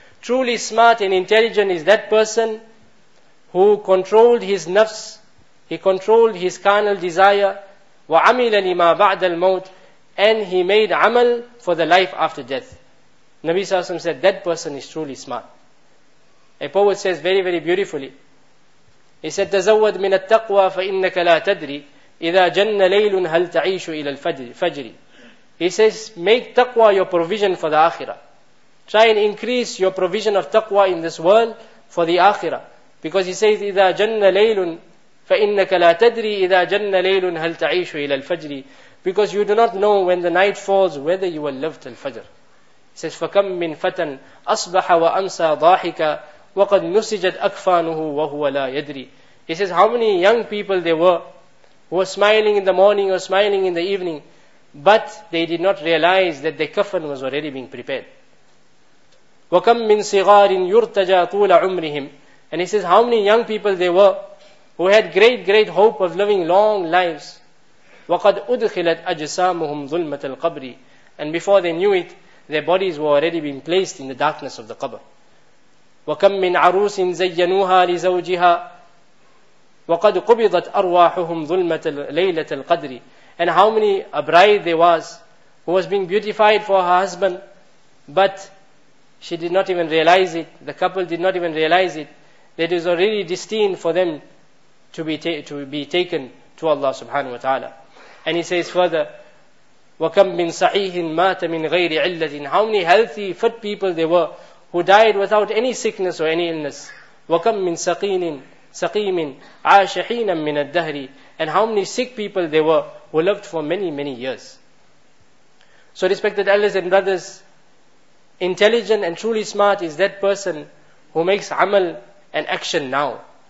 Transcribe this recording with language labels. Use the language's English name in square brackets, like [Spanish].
[English] Truly smart and intelligent is that person who controlled his nafs, he controlled his carnal desire, [Arabic] وَعَمِلَ لِمَا بَعْدَ الْمَوْتِ, [English] and he made amal for the life after death. Nabi Sallallahu Alaihi Wasallam said, that person is truly smart. A poet says very, very beautifully, he said, [Arabic] تَزَوَّدْ مِنَ التَّقْوَى فَإِنَّكَ لَا تَدْرِي إِذَا جَنَّ لَيْلٌ هَلْ تَعِيشُ إِلَى الْفَجْرِ. [English] He says, make taqwa your provision for the akhirah. Try and increase your provision of taqwa in this world for the akhirah. Because he says, [Arabic] إِذَا جَنَّ لَيْلٌ فَإِنَّكَ لَا تَدْرِي إِذَا جَنَّ لَيْلٌ هَلْ تَعِيشُ إِلَى الْفَجْرِ. [English] Because you do not know when the night falls whether you will live till Fajr. He says, [Arabic] فَكَمْ مِنْ فَتَنْ أَصْبَحَ وَأَمْسَى ضَاحِكَ وَقَدْ نُسِجَتْ أَكْفَانُهُ وَهُوَ لَا يَدْرِي. [English] He says, how many young people there were who were smiling in the morning or smiling in the evening, but they did not realize that the kafan was already being prepared. [Arabic] وَكَمْ مِنْ صِغَارٍ يُرْتَجَى طُولَ عُمْرِهِمْ. [English] And he says, how many young people there were who had great, great hope of living long lives. [Arabic] وَقَدْ أُدْخِلَتْ أَجْسَامُهُمْ ظُلْمَةَ الْقَبْرِ. [English] And before they knew it, their bodies were already being placed in the darkness of the qabr. [Arabic] وَكَمْ مِنْ عَرُوسٍ زَيَّنُوهَا لِزَوْجِهَا وَقَدْ قُبِضَتْ أَرْوَاحُهُمْ ظُلْمَةَ لَيْلَةَ الْقَدْرِ. [English] And how many a bride there was who was being beautified for her husband, but she did not even realize it. The couple did not even realize it. That is already destined for them to be taken to Allah subhanahu wa ta'ala. And he says further, [Arabic] وَكَمْ مِنْ صَحِيْهٍ مَاتَ مِنْ غَيْرِ عِلَّةٍ. [English] How many healthy, fit people there were who died without any sickness or any illness. [Arabic] وَكَمْ مِنْ سَقِيمٍ عَاشَ حِينًا مِنَ الدَّهْرِ. [English] And how many sick people there were who lived for many, many years. So respected elders and brothers, intelligent and truly smart is that person who makes amal and action now.